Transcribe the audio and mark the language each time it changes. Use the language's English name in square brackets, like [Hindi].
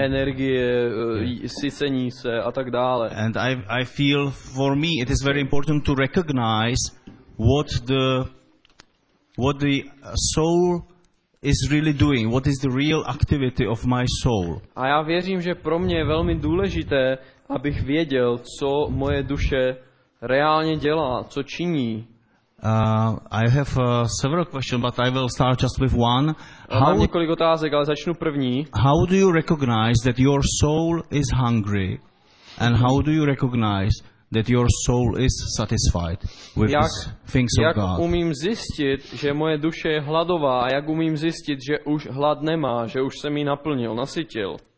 [Czech] energie, sycení se a tak dále. [English] And I feel for me it is very important to recognize what the soul is really doing, what is the real activity of my soul. [Czech] A já věřím, že pro mě je velmi důležité, abych věděl, co moje duše reálně dělá, co činí. [English] I have several questions, but I will start just with one. [Czech] Mám několik otázek, ale začnu první. [English] How do you recognize that your soul is hungry? And how do you recognize that your soul is satisfied with [Czech] jak, [English] things of [Czech] jak [English] God? [Czech] Jak umím zjistit, že moje duše je hladová, a jak umím zjistit, že už hlad nemá, že už jsem ji naplnil, nasytil?